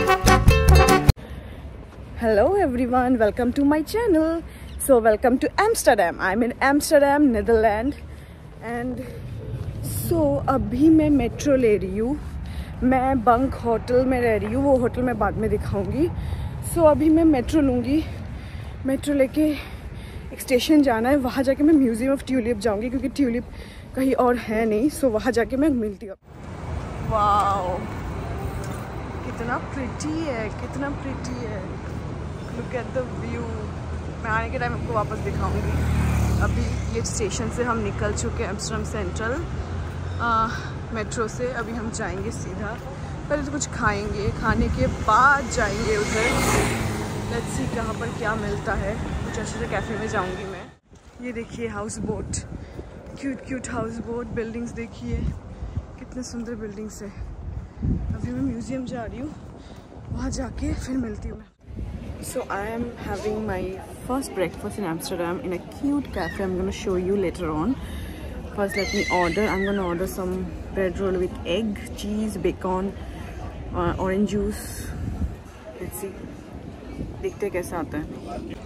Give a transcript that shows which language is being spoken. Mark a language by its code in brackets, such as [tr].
[en] Hello everyone, welcome to my channel. So welcome to Amsterdam. I'm in Amsterdam, Netherlands. And so [hi] अभी मैं metro ले रही हूँ. मैं बंक होटल में रह रही हूँ, वो होटल मैं बाद में दिखाऊँगी. सो अभी मैं मेट्रो लूँगी. मेट्रो लेके एक स्टेशन जाना है, वहाँ जाके मैं म्यूजियम ऑफ ट्यूलिप जाऊँगी, क्योंकि ट्यूलिप कहीं और है नहीं. सो वहाँ जाके मैं मिलती हूँ. वाओ, कितना प्रिटी है, कितना प्रिटी है. [en] Look at the view. [hi] मैं आने के टाइम आपको वापस दिखाऊंगी. अभी ये स्टेशन से हम निकल चुके हैं, एम्स्टर्डम सेंट्रल मेट्रो से. अभी हम जाएंगे सीधा, पहले तो कुछ खाएंगे, खाने के बाद जाएंगे उधर. [en] let's see [hi] कहाँ पर क्या मिलता है. कुछ अच्छे से कैफ़े में जाऊंगी मैं. ये देखिए house boat, cute cute house boat. Buildings देखिए, कितने सुंदर बिल्डिंग्स है. अभी मैं म्यूजियम जा रही हूँ, वहाँ जाके फिर मिलती हूँ मैं. [en] So I am having my first breakfast in Amsterdam in a cute cafe. I'm going to show you later on. First let me order. I'm going to order some bread roll with egg, cheese, bacon, orange juice. Let's see. [hi] Dekhte hain kaisa aata hai.